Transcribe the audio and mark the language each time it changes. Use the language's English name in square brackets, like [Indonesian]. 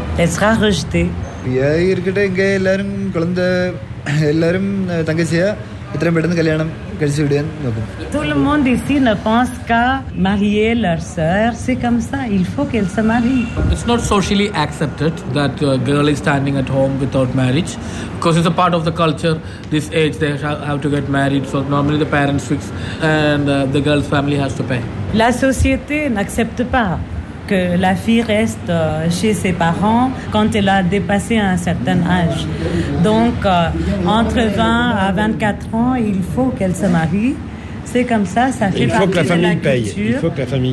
[French] Elle ne va pas pouvoir se marier. Elle sera rejetée. Tout le monde ici ne pense qu'à marier leur sœur. C'est comme ça. Il faut qu'elle se marie. [English] It's not socially accepted that a girl is standing at home without marriage, because it's a part of the culture. This age, they have to get married. So normally the parents fix, and the girl's family has to pay. [French] La société n'accepte pas que la fille reste chez ses parents quand elle a dépassé un certain âge. Donc, entre 20 à 24 ans, il faut qu'elle se marie. C'est comme ça, ça fait partie de la culture. Paye. Il faut que la famille